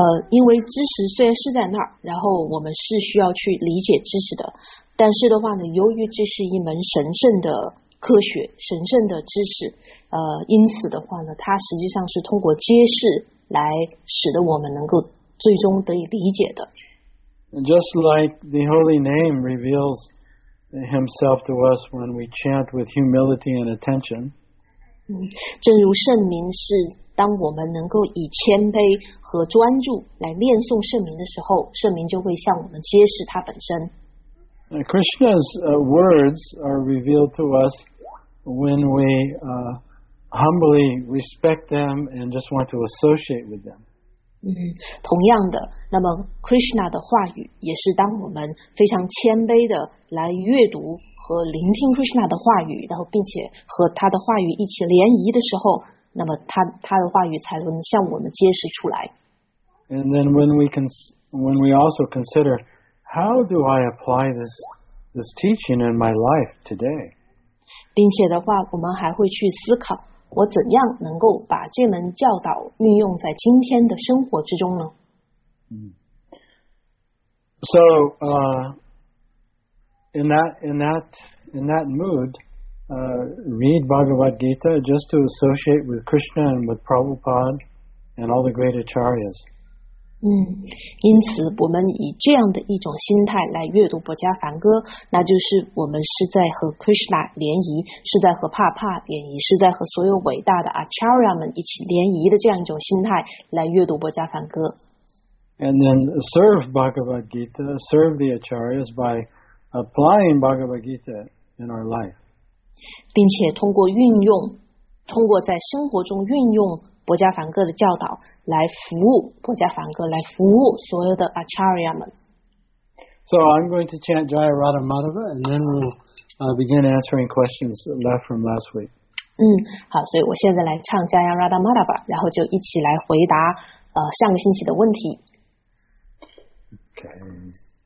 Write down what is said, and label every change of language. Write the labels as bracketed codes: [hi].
[zh] 因为知识虽然是在那儿，然后我们是需要去理解知识的，但是的话呢，由于这是一门神圣的科学，神圣的知识，因此的话呢，它实际上是通过揭示来使得我们能够最终得以理解的。 [en] And just like the holy name reveals himself to us when we chant with humility and attention. [zh] 正如圣名是当我们能够以谦卑和专注来念诵圣名的时候，圣名就会向我们揭示他本身。 [en] Krishna's words are revealed to us when we humbly respect them and just want to associate with them. [zh] 同样的，那么 Krishna 的话语也是当我们非常谦卑的来阅读和聆听 Krishna 的话语，然后并且和他的话语一起联谊的时候，那么他的话语才能向我们揭示出来。 [en] And then when we also consider how do I apply this teaching in my life today? [zh] 并且的话，我们还会去思考，我怎样能够把这门教导运用在今天的生活之中呢？ [en] So, in that mood, read Bhagavad Gita just to associate with Krishna and with Prabhupada and all the great acharyas. [zh] 因此我们以这样的一种心态来阅读《博伽梵歌》，那就是我们是在和 Krishna 联谊，是在和帕帕联谊，是在和所有伟大的 Acharya 们一起联谊的这样一种心态来阅读《博伽梵歌》。 [en] And then serve Bhagavad Gita, serve the Acharyas by applying Bhagavad Gita in our life. [zh] 并且通过运用，通过在生活中运用博伽梵歌的教导来服务博伽梵歌，来服务所有的 Acharya 们。 [en] So I'm going to chant Jaya Radha Madhava and then we'll begin answering questions left from last week. [zh] 好，所以我现在来唱 Jaya Radha Madhava， 然后就一起来回答上个星期的问题。 [en] Okay.